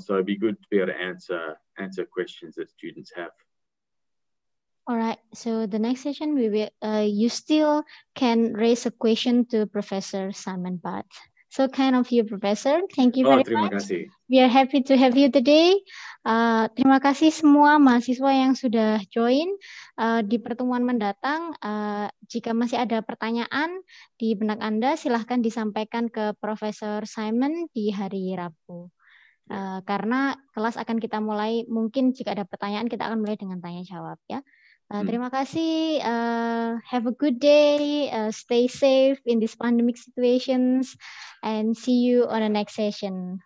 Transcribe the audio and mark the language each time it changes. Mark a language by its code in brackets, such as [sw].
[en] So it'd be good to be able to answer questions that students have. All right. So the next session, we will, you still can raise a question to Professor Simon Bhatt. So kind of you, Professor. Thank you very [id] terima [en] much. [id] Kasih. [en] We are happy to have you today. [id] Terima kasih semua mahasiswa yang sudah join di pertemuan mendatang. Jika masih ada pertanyaan di benak Anda, silahkan disampaikan ke Profesor Simon di hari Rabu. Karena kelas akan kita mulai, mungkin jika ada pertanyaan, kita akan mulai dengan tanya-jawab. Ya. Terima kasih. [en] Have a good day. Stay safe in this pandemic situations. And see you on the next session.